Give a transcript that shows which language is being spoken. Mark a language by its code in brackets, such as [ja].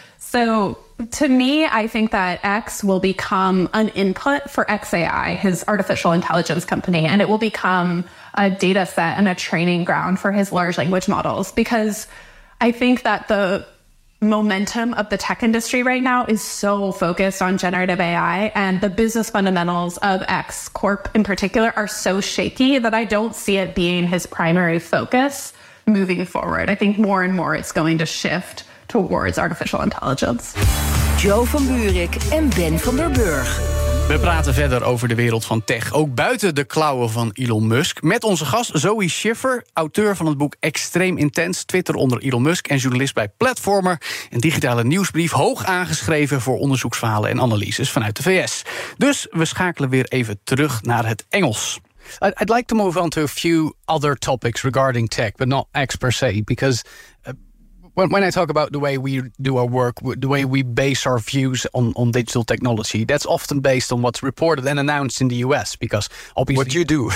[en] So to me, I think that X will become an input for xAI, his artificial intelligence company, and it will become a data set and a training ground for his large language models, because I think that the momentum of the tech industry right now is so focused on generative AI, and the business fundamentals of X Corp in particular are so shaky that I don't see it being his primary focus moving forward. I think more and more it's going to shift towards artificial intelligence. [nl] Joe van Buurik en Ben van der Burg. We praten verder over de wereld van tech, ook buiten de klauwen van Elon Musk, met onze gast Zoe Schiffer, auteur van het boek Extreem Intens, Twitter onder Elon Musk en journalist bij Platformer, een digitale nieuwsbrief hoog aangeschreven voor onderzoeksverhalen en analyses vanuit de VS. Dus we schakelen weer even terug naar het Engels. [en] I'd like to move on to a few other topics regarding tech, but not X per se, because when I talk about the way we do our work, the way we base our views on digital technology, that's often based on what's reported and announced in the US, because obviously what you do.